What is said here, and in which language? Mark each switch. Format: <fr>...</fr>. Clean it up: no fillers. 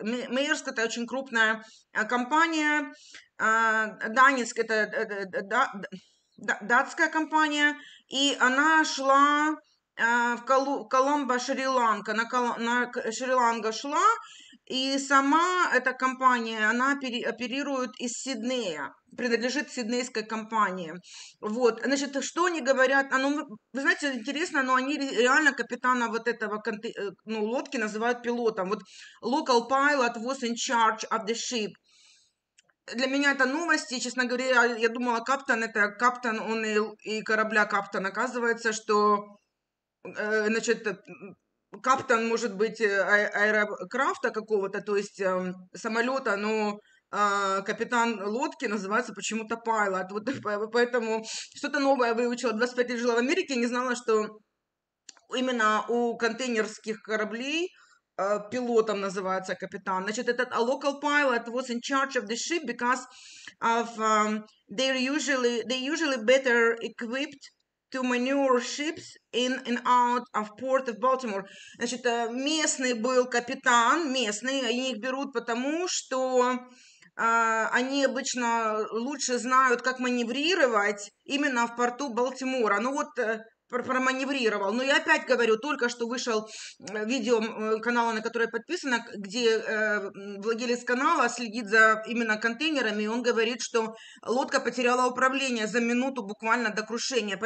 <ru>Maersk – это очень крупная компания, Danish – это датская компания, и она шла в Коломбо, Шри-Ланка, на Шри-Ланка шла, и сама эта компания, она оперирует из Сиднея, принадлежит сиднейской компании. Вот, значит, что они говорят, вы знаете, интересно, но они реально капитана вот этого лодки называют пилотом. Вот</ru> <en>local pilot was in charge of the ship.</en> <ru>Для меня это новости, честно говоря, я думала, каптан это каптан, он и корабля каптан. Оказывается, что, значит, каптан может быть аэрокрафта какого-то, то есть самолета, но капитан лодки называется почему-то пайлот. Вот, поэтому что-то новое выучила. 25 лет жила в Америке, не знала, что именно у контейнерских кораблей пилотом называется капитан. Значит, этот</ru> <en>local pilot was in charge of the ship because of they usually better equipped to maneuver ships in and out of port of Baltimore.</en> <ru>Значит, местный был капитан, местный, они их берут потому, что они обычно лучше знают, как маневрировать именно в порту Балтимора. Ну вот, проманеврировал. Но я опять говорю, только что вышел видео канала, на которое подписано, где владелец канала следит за именно контейнерами, и он говорит, что лодка потеряла управление за минуту буквально до крушения.</ru>